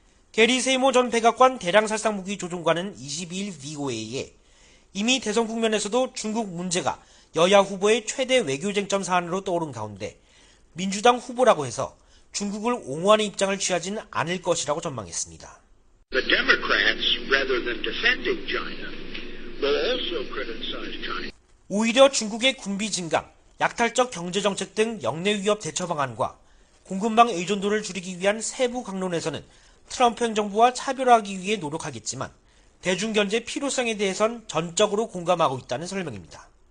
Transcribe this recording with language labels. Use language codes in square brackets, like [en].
[ko] 게리 세이모 전 백악관 대량살상무기 조종관은 22일 VOA에 이미 대선 국면에서도 중국 문제가 여야 후보의 최대 외교쟁점 사안으로 떠오른 가운데 민주당 후보라고 해서 중국을 옹호하는 입장을 취하진 않을 것이라고 전망했습니다. [en] The Democrats, rather than defending China, will also criticize China. [ko] 오히려 중국의 군비 증강, 약탈적 경제정책 등 역내 위협 대처 방안과 공급망 의존도를 줄이기 위한 세부 강론에서는 트럼프 행정부와 차별화하기 위해 노력하겠지만 대중견제 필요성에 대해선 전적으로 공감하고 있다는 설명입니다.